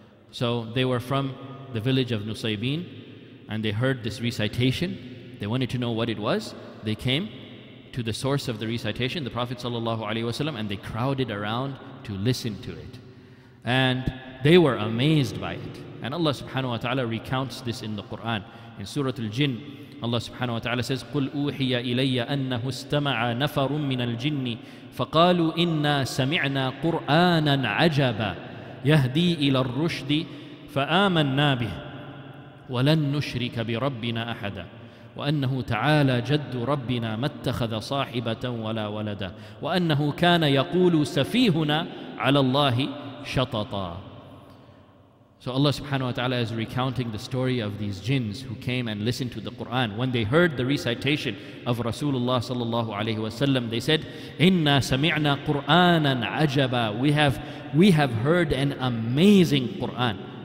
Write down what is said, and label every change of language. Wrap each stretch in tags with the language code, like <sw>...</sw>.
<en>So they were from the village of Nusaybin, and they heard this recitation. They wanted to know what it was. They came to the source of the recitation, the Prophet sallallahu alaihi wasallam, and they crowded around to listen to it. And they were amazed by it. And Allah subhanahu wa ta'ala recounts this in the Quran. In Surah Al-Jinn, Allah subhanahu wa ta'ala says,</en> <ar>قُلْ أُوحِيَ إِلَيَّ أَنَّهُ اسْتَمَعَ نَفَرٌ مِّنَ الْجِنِّ فَقَالُوا إِنَّا سَمِعْنَا قُرْآنًا عَجَبًا يَهْدِي إِلَى الرُّشْدِ فَآمَنَّا بِهِ وَلَنْ نُشْرِكَ بِرَبِّنَا أَحَدًا وأنه تعالى جد ربنا ما اتخذ صاحبة ولا ولدا وأنه كان يقول سفيهنا على الله شططا.</ar> <en>So Allah subhanahu wa ta'ala is recounting the story of these jinns who came and listened to the Quran. When they heard the recitation of Rasulullah sallallahu alayhi wa sallam, they said,</en> <ar>Inna sami'na Qur'anan ajaba.</ar> <en>We have heard an amazing Quran.</en>